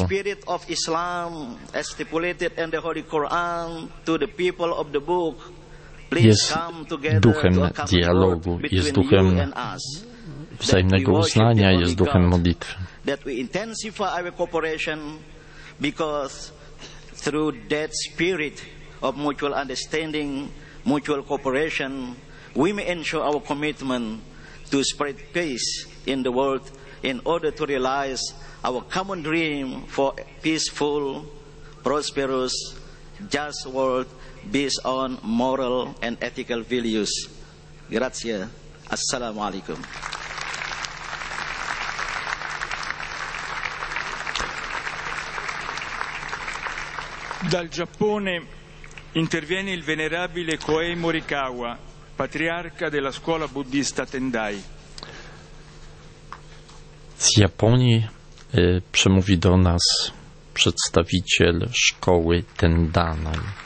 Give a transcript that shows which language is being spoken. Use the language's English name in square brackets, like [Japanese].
[English] the spirit of Islam, as stipulated in the Holy Quran to the people of the book, please come together. [Polish] Duchem dialogu, jest duchem wzajemnego uznania, jest duchem modlitwy. [English] That we intensify our cooperation, because through that spirit of mutual understanding, mutual cooperation, we may ensure our commitment to spread peace in the world, in order to realize our common dream for a peaceful, prosperous, just world based on moral and ethical values. [Italian] Grazie. Assalamu alaikum. Dal Giappone interviene il venerabile Kohei Morikawa, patriarca della scuola buddista Tendai. [Polish] Z Japonii przemówi do nas przedstawiciel szkoły Tendanai.